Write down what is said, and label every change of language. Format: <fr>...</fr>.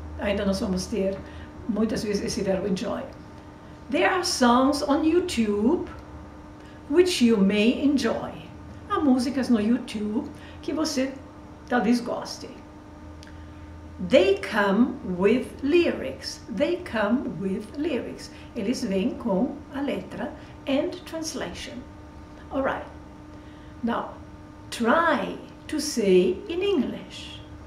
<pt>Ainda nós vamos ter muitas vezes esse verbo enjoy.</pt> <en>There are songs on YouTube which you may enjoy.</en> <pt>Há músicas no YouTube que você talvez goste.</pt> <en>They come with lyrics. They come with lyrics.</en> <pt>Eles vêm com a letra</pt> <en>and translation. All right. Now, try to say in English.</en>